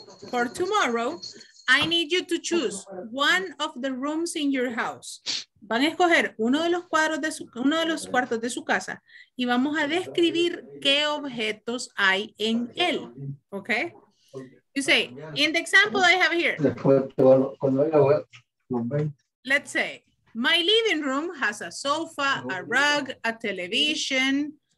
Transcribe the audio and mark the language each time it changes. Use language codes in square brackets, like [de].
[en] For tomorrow, I need you to choose one of the rooms in your house. [es] Van a escoger uno de los cuartos de su casa y vamos a describir qué objetos hay en él. [en] Okay? You say, in the example I have here, let's say, my living room has a sofa, a rug, a television.